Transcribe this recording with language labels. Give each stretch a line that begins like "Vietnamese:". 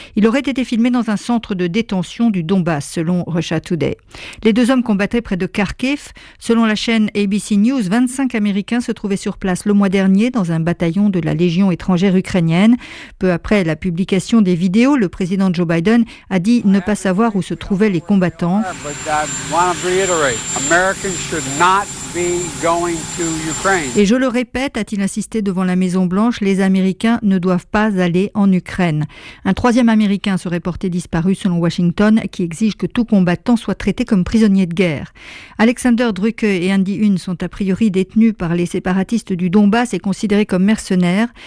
French: Il aurait été filmé dans un centre de détention du Donbass, selon Russia Today. Les deux hommes combattaient près de Kharkiv. Selon la chaîne ABC News, 25 Américains se trouvaient sur place le mois dernier dans un bataillon de la Légion étrangère ukrainienne. Peu après la publication des vidéos, le président Joe Biden a dit ne pas savoir où se trouvaient les combattants.
English: But I want to reiterate, Americans should not be going to Ukraine.
French: Et je le répète, a-t-il insisté devant la Maison Blanche, les Américains ne doivent pas aller en Ukraine. Un troisième Américain serait porté disparu selon Washington, qui exige que tout combattant soit traité comme prisonnier de guerre. Alexander Drucke et Andy Huhn sont a priori détenus par les séparatistes du Donbass et considérés comme mercenaires.